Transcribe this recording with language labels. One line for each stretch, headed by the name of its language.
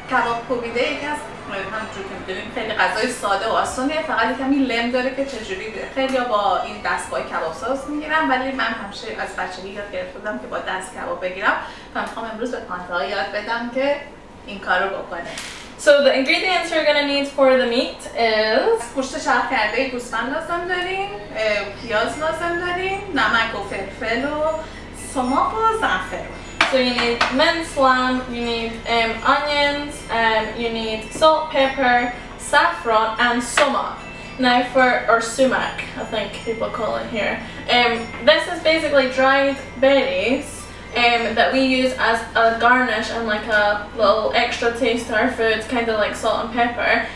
Persian: Kabab koubideh یکی از همونجور که میدونیم خیلی غذای ساده و آسانیه فقط یکمی لم داره که چجوری خیلی با این دستگاه کباب ساز میگیرم ولی من همیشه از بچگی یاد گرفته بودم که با دست کباب بگیرم فمیخوام امروز به پانتاها یاد بدم که این کار رو بکنه.
English: So the ingredients we're gonna need for the meat is
Persian: گوشت شرح کرده گوسفند لازم داریم پیاز لازم داریم نمک و فلفل و سماق و زعفران.
English: So you need minced lamb, you need onions, you need salt, pepper, saffron and sumac. Now sumac, I think people call it here. This is basically dried berries. That we use as a garnish and like a little extra taste to our foods, kind of like salt and pepper.